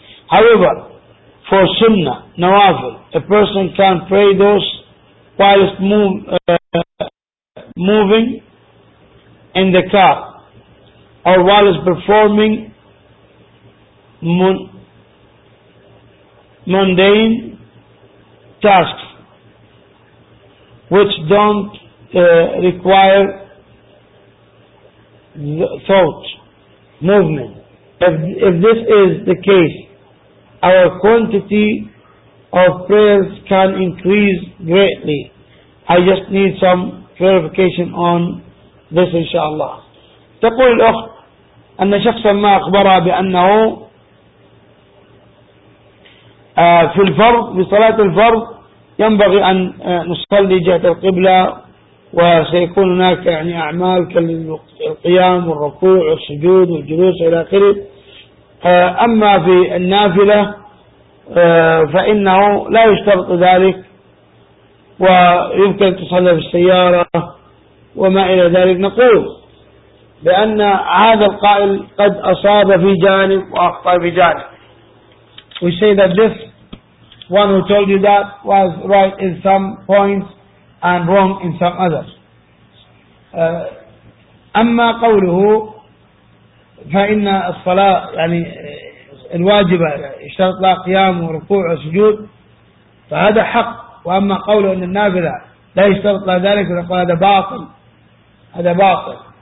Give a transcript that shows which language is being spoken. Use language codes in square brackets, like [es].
[en] However, for sunnah, nawafil, a person can pray those whilst moving in the car, or whilst performing mundane tasks which don't require thought, movement. If this is the case, our quantity of prayers can increase greatly. I just need some clarification on this, inshallah. [ar] تقول الأخت أن شخصا ما أخبرها بأنه في الفرض, في صلاة الفرض ينبغي أن نصلي جهة القبلة, وسيكون هناك يعني أعمال كالقيام والركوع والسجود والجلوس إلى آخره. أما في النافلة فإنه لا يشترط ذلك, ويمكن تصلى في السيارة وما إلى ذلك. نقول بأن هذا القائل قد أصاب في جانب وأخطأ في جانب. [en] We say that this one who told you that was right in some points and wrong in some others. [ar] أما قوله فإن الصلاة يعني الواجبة يشترط لها قيام وركوع وسجود فهذا حق, وأما قوله أن النافلة لا يشترط لها ذلك فقال هذا باطل, هذا باطل.